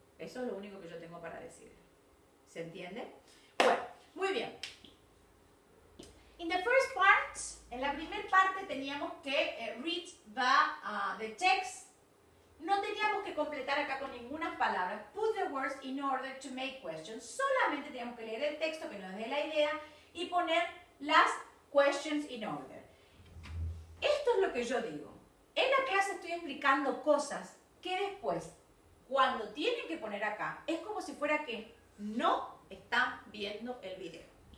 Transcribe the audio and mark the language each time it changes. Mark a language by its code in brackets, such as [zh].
[es] Eso es lo único que yo tengo para decir. ¿Se entiende? Bueno, muy bien. [en] In the first part, [es] en la primera parte teníamos que [en] read the text. [es] No teníamos que completar acá con ninguna palabra. [en] Put the words in order to make questions. [es] Solamente teníamos que leer el texto que nos dé la idea y poner las [en] questions in order. [es] Esto es lo que yo digo. En la clase estoy explicando cosas que después, cuando tienen que poner acá, es como si fuera que no están viendo el video.